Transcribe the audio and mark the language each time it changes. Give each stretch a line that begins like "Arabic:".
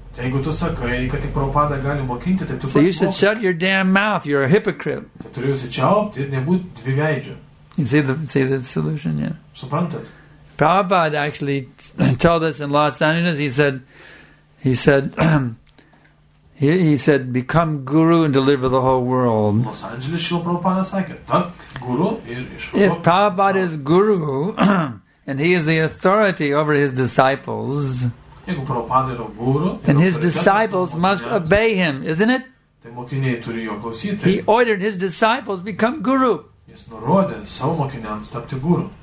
English: So you should shut your damn mouth, you're a hypocrite. You see the solution, yeah. Prabhupada actually told us in Los Angeles, he said, he said, become guru and deliver the whole world.
Lithuanian: Los Angeles, Prabhupada sakė, tapk guru ir išvaduok.
English: If Prabhupada is guru and he is the authority over his disciples,
Lithuanian: jeigu Prabhupada yra guru,
English: then his disciples must obey him, isn't it?
Lithuanian: Tai mokiniai turi jo klausyti.
English: He ordered his disciples become guru.
Lithuanian: Jis nurodė savo mokiniams tapti guru.